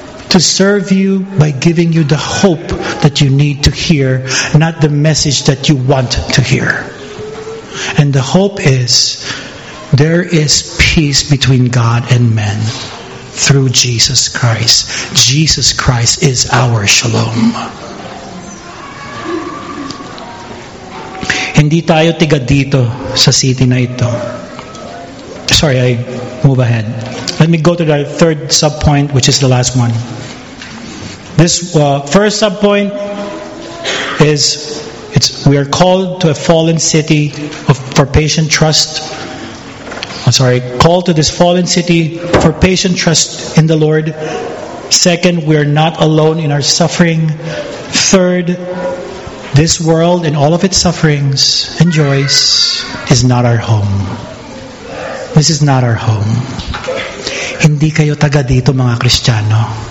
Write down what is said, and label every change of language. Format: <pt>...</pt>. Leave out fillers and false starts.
<en>To serve you by giving you the hope that you need to hear, not the message that you want to hear. And the hope is, there is peace between God and men through Jesus Christ. Jesus Christ is our shalom.</en> <tl>Hindi tayo tiga dito sa city na ito.</tl> <en>Sorry, I move ahead. Let me go to the third sub-point, which is the last one. This first sub-point is we are called to a fallen city of for patient trust. I'm sorry, called to this fallen city for patient trust in the Lord. Second, we are not alone in our suffering. Third, this world and all of its sufferings and joys is not our home. This is not our home.</en> <tl>Hindi kayo taga dito, mga Kristiyano.</tl>